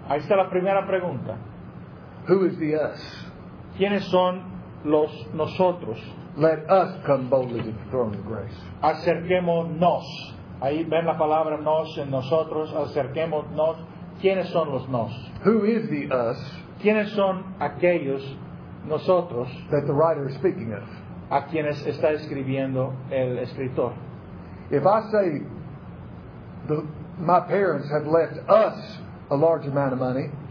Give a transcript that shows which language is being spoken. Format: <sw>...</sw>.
<es>Ahí está la primera pregunta.</es> <en>Who is the us?</en> <es>¿Quiénes son los nosotros?</es> <en>Let us come boldly to the throne of grace.</en> <es>Acerquémonos. Ahí ven la palabra nos en nosotros. Acerquémonos. ¿Quiénes son los nos?</es> <en>Who is the us?</en> <es>¿Quiénes son aquellos nosotros?</es> <en>That the writer is speaking of.</en> <es>A quienes está escribiendo el escritor.</es> <en>If I say my parents have left us a large amount of money.</en>